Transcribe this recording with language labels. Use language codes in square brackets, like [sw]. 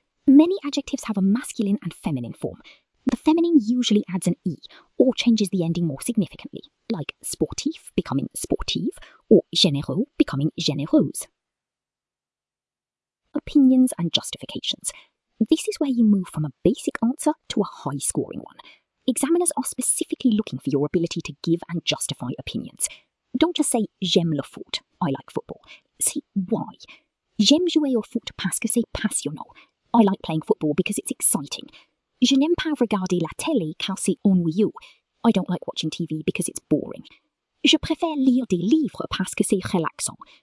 [en] Many adjectives have a masculine and feminine form. The feminine usually adds an E or changes the ending more significantly, like sportif becoming sportive or généreux becoming généreuse. Opinions and justifications. This is where you move from a basic answer to a high-scoring one. Examiners are specifically looking for your ability to give and justify opinions. Don't just say, [fr] j'aime le foot, [en] I like football. Say why. [fr] J'aime jouer au foot parce que c'est passionnant. [en] I like playing football because it's exciting. [fr] Je n'aime pas regarder la télé car c'est ennuyeux. [en] I don't like watching TV because it's boring. [fr] Je préfère lire des livres parce que c'est relaxant.